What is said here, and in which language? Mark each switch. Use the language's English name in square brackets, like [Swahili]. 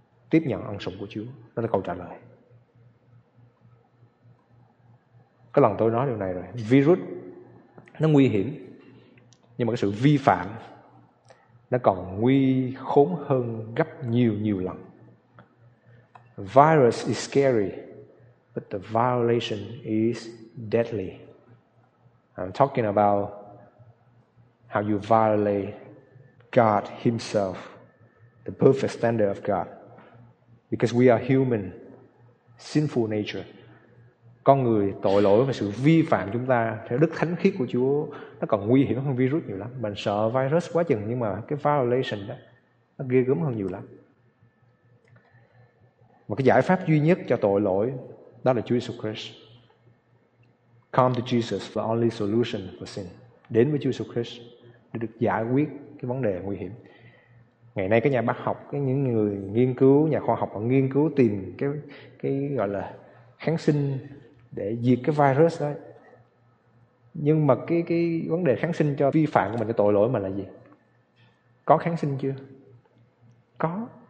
[Vietnamese] Tiếp nhận ân sủng của Chúa, đó là câu trả lời. Có lần tôi nói điều này rồi, virus nó nguy hiểm, nhưng mà cái sự vi phạm nó còn nguy khốn hơn gấp nhiều nhiều lần. [English] Virus is scary, but the violation is deadly. I'm talking about how you violate God Himself, the perfect standard of God. Because we are human, sinful nature. [Vietnamese] Con người tội lỗi và sự vi phạm chúng ta, theo đức thánh khiết của Chúa, nó còn nguy hiểm hơn virus nhiều lắm. Mình sợ virus quá chừng, nhưng mà cái violation đó, nó ghê gớm hơn nhiều lắm. Và cái giải pháp duy nhất cho tội lỗi, đó là Chúa Jesus Christ. [English] Come to Jesus, the only solution for sin. [Vietnamese] Đến với Chúa Jesus Christ để được giải quyết cái vấn đề nguy hiểm. Ngày nay các nhà bác học, những người nghiên cứu, nhà khoa học họ nghiên cứu tìm cái gọi là kháng sinh để diệt cái virus đó. Nhưng mà cái vấn đề kháng sinh cho vi phạm của mình, cái tội lỗi mà là gì? Có kháng sinh chưa? Có.